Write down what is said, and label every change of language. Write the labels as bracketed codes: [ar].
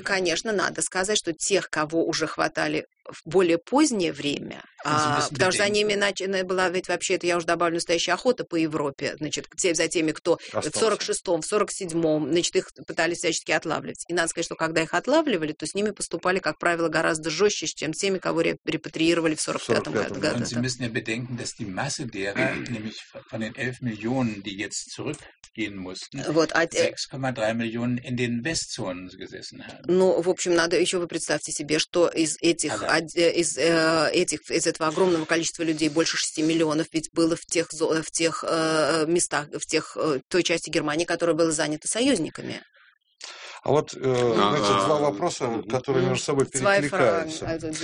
[ru] конечно, надо сказать, что тех, кого уже хватали в более позднее время, потому что за ними была ведь вообще, это я уже добавлю, настоящая охота по Европе, значит, за теми, кто остался. В 46-м, в 47-м, значит, их пытались всячески отлавливать. И надо сказать, что когда их отлавливали, то с ними поступали, как правило, гораздо жестче, чем теми, кого репатриировали в 45-м году. [de] Und Sie müssen ja bedenken, dass die Masse derer, nämlich von den 11 Millionen, die jetzt zurückgehen mussten, 6,3 Millionen in den Westzonen gesessen haben. [ru] Ну, в общем, надо еще, вы представьте себе, что из этих, из этого огромного количества людей, больше 6 миллионов, ведь было в тех местах, в той части Германии, которая была занята союзниками. А вот, значит, два вопроса, которые между собой перекликаются.